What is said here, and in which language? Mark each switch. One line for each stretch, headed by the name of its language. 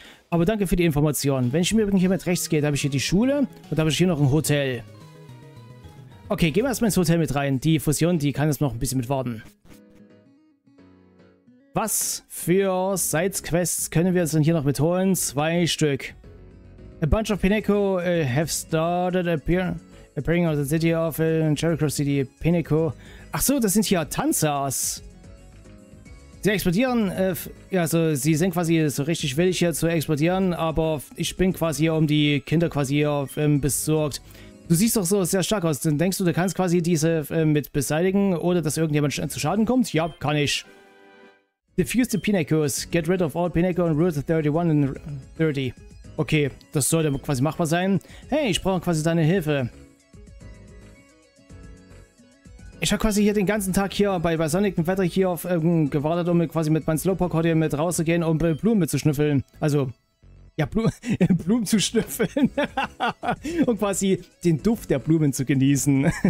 German: Aber danke für die Information. Wenn ich mir übrigens hier mit rechts gehe, habe ich hier die Schule und habe ich hier noch ein Hotel. Okay, gehen wir erstmal ins Hotel mit rein. Die Fusion, die kann jetzt noch ein bisschen mit warten. Was für Sidequests können wir jetzt denn hier noch mitholen? 2 Stück.
English: A bunch of Pinnacle have started appearing on the city of Cherrycross City. Pinnacle.
German: Ach so, das sind hier Tanzers. Sie explodieren. Sie sind quasi so richtig willig hier zu explodieren, aber ich bin quasi hier um die Kinder quasi hier besorgt. Du siehst doch so sehr stark aus. Dann denkst du, du kannst quasi diese mit beseitigen, oder dass irgendjemand zu Schaden kommt? Ja, kann ich.
English: Defuse the Pinnacles. Get rid of all Pinnacles and Route 31 and 30.
German: Okay, das sollte quasi machbar sein. Hey, ich brauche quasi deine Hilfe. Ich habe quasi hier den ganzen Tag hier bei sonnigem Wetter hier auf gewartet, um quasi mit meinem Slowpoke heute mit rauszugehen, um Blumen mitzuschnüffeln. Also. Ja, Blumen zu schnüffeln und quasi den Duft der Blumen zu genießen.